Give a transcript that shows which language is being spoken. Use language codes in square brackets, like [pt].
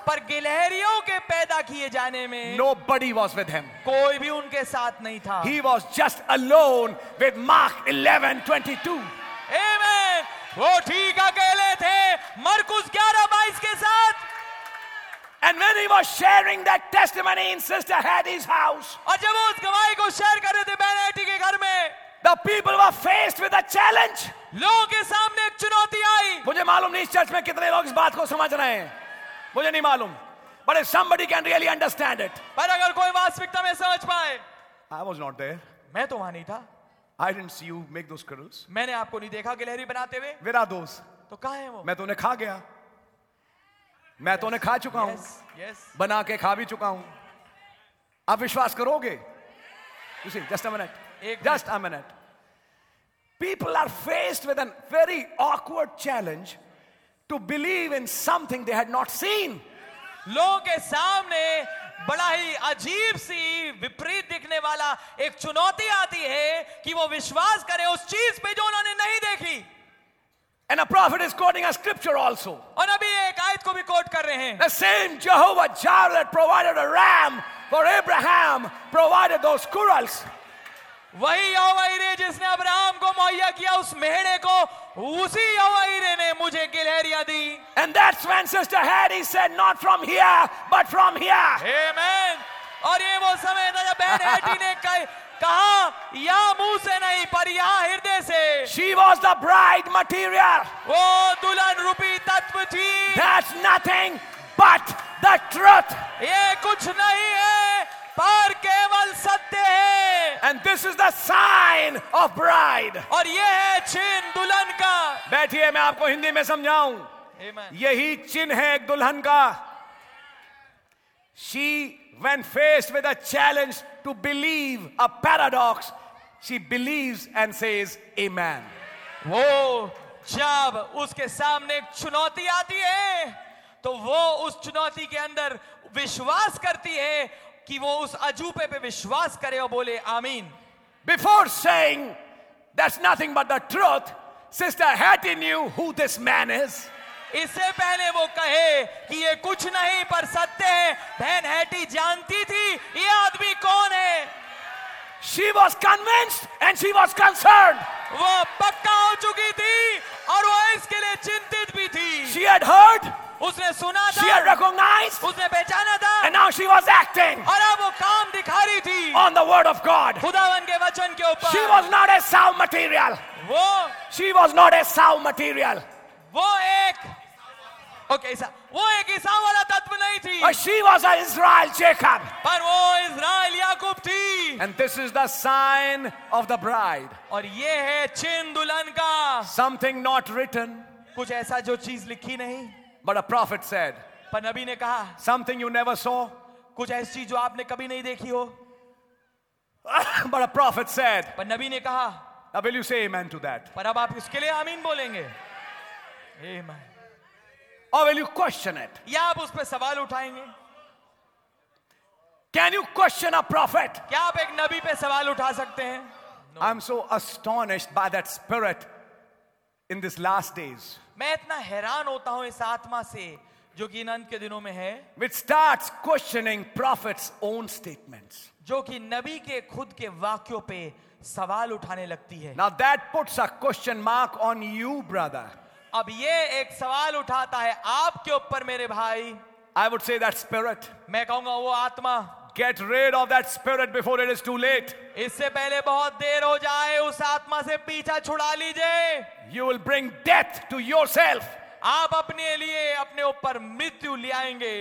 [hi] पर गिलहरियों के पैदा किए जाने में [en] nobody was with him. [hi] कोई भी उनके साथ नहीं था. [en] He was just alone with Mark 11:22. Amen. [hi] वो ठीक अकेले थे मरकुस 11:22 के साथ. [en] And when he was sharing that testimony in Sister Hattie's house, [hi] और जब वो उस गवाही को शेयर कर रहे थे बहन हैटी के घर में, [en] the people were faced with a challenge. [hi] लोगों के सामने एक चुनौती आई. मुझे मालूम नहीं इस चर्च में कितने लोग इस बात को समझ रहे हैं. मुझे नहीं मालूम, [en] but if somebody can really understand it. [hi] पर अगर कोई वास्तविकता में समझ पाए. [en] I was not there. [hi] मैं तो वहाँ नहीं था. [en] I didn't see you make those curls. [hi] मैंने आपको नहीं देखा गिलहरी बनाते हुए. [en] Where are those? [hi] तो कहाँ है वो? मैं तो उन्हें खा गया. मैं तो उन्हें खा चुका हूँ. [en] Yes. [hi] बना के खा भी चुका हूँ. आप विश्वास करोगे? [en] You see, just a minute. [hi] Just a minute. [en] People are faced with a very awkward challenge to believe in something they had not seen. [hi] लोगों के सामने बड़ा ही अजीब सी विपरीत दिखने वाला एक चुनौती आती है कि वो विश्वास करें उस चीज पे जो उन्होंने नहीं देखी. [en] And a prophet is quoting a scripture also. [hi] और अभी एक आयत को भी कोट कर रहे हैं. [en] The same Jehovah Jireh that provided a ram for Abraham provided those squirrels. [hi] वही यहोवा जिसने अब्राहम को मुहैया किया उस मेहड़े को, उसी यहोवा ने मुझे गिलहरियां दी. [en] And that's when Sister Harry said, not from here, but from here. Amen. [hi] और ये वो समय था जब बहन हैटी ने कहा, या मुंह से नहीं पर या हृदय से. [en] She was the bride material. [hi] वो दुल्हन रूपी तत्व थी. [en] That's nothing but the truth. [hi] ये कुछ नहीं है पर केवल सत्य है. [en] And this is the sign of bride. [hi] और ये है चिन्ह दुल्हन का. बैठिए मैं आपको हिंदी में समझाऊं. यही चिन्ह है एक दुल्हन का. [en] She when faced with a challenge to believe a paradox, she believes and says amen. [hi] वो जब उसके सामने चुनौती आती है तो वो उस चुनौती के अंदर विश्वास करती है कि वो उस अजूबे पे विश्वास करे और बोले आमीन. [en] Before saying that's nothing but the truth, Sister Hattie knew who this man is. [hi] इससे पहले वो कहे कि ये कुछ नहीं पर सत्य है, बहन हैटी जानती थी ये आदमी कौन है. [en] She was convinced and she was concerned. [hi] वो पक्का हो चुकी थी और वो इसके लिए चिंतित भी थी. [en] She had heard. [hi] उसने सुना था. [en] She had recognized. [hi] उसने पहचाना था. [en] And now she was acting. [hi] और अब वो काम दिखा रही थी. [en] On the word of God. [hi] खुदावन के वचन के ऊपर. [en] She was not a sow material. [hi] वो. [en] She was not a sow material. [hi] वो एक. [en] Okay, sir. [hi] वो एक ईसा वाला तत्व नहीं थी. [en] But she was an Israel Jacob. [hi] पर वो इज़राइल याकूब थी. [en] And this is the sign of the bride. [hi] और ये है चिन्ह दुल्हन का. [en] Something not written. [hi] कुछ ऐसा जो चीज लिखी नहीं. [en] But a prophet said, [hi] पर नबी ने कहा, [en] something you never saw, [hi] कुछ ऐसी जो आपने कभी नहीं देखी हो. [en] But a prophet said, [hi] पर नबी ने कहा, [en] now will you say amen to that? [hi] पर अब आप इसके लिए आमीन बोलेंगे? [en] Amen. Or will you question it? [hi] या आप उस पर सवाल उठाएंगे? [en] Can you question a prophet? [hi] क्या आप एक नबी पे सवाल उठा सकते हैं? [en] No. I'm so astonished by that spirit in these last days. [hi] मैं इतना हैरान होता हूं इस आत्मा से जो कि अनंत के दिनों में है. [en] Which starts questioning prophet's own statements. [hi] जो कि नबी के खुद के वाक्यों पे सवाल उठाने लगती है. [en] Now that puts a question mark on you, brother. [hi] अब ये एक सवाल उठाता है आपके ऊपर मेरे भाई. [en] I would say that spirit. [hi] मैं कहूंगा वो आत्मा. [en] Get rid of that spirit before it is too late. [hi] इससे पहले बहुत देर हो जाए उस आत्मा से पीछा छुड़ा लीजिए. [en] You will bring death to yourself. [hi] आप अपने लिए अपने ऊपर मृत्यु ले आएंगे.